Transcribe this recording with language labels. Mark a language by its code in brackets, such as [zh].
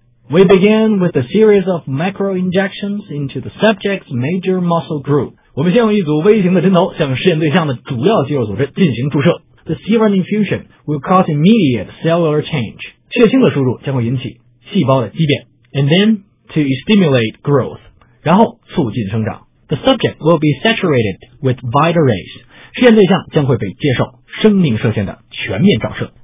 [en] We begin with a series of micro injections into the subject's major muscle group。 [zh] 我们先用一组微型的针头向试验对象的主要肌肉组织进行注射。 [en] The serum infusion will cause immediate cellular change. [zh] 血清的输入将会引起细胞的畸变。 [en] And then to stimulate growth. [zh] 然后促进生长。 [en] The subject will be saturated with vital rays. [zh] 试验对象将会被接受生命射线的全面照射。